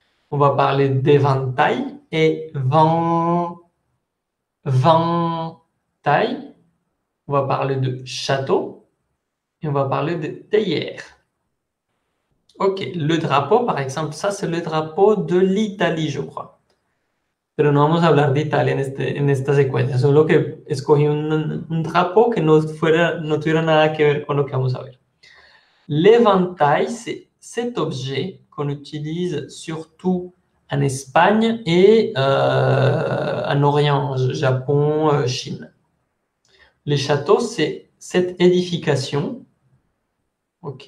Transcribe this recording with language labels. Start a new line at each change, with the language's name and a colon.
French: On va parler d'éventail et vent. Ventail, on va parler de château et on va parler de théière. Ok, le drapeau par exemple, ça c'est le drapeau de l'Italie, je crois.
Spanish: Pero no vamos a hablar de Italia en esta secuencia, solo que escogí un drapeau que no tuviera nada que ver con lo que vamos a ver.
French: L'éventail, c'est cet objet qu'on utilise surtout en Espagne et en Orient, Japon, Chine. Les châteaux, c'est cette édification. OK.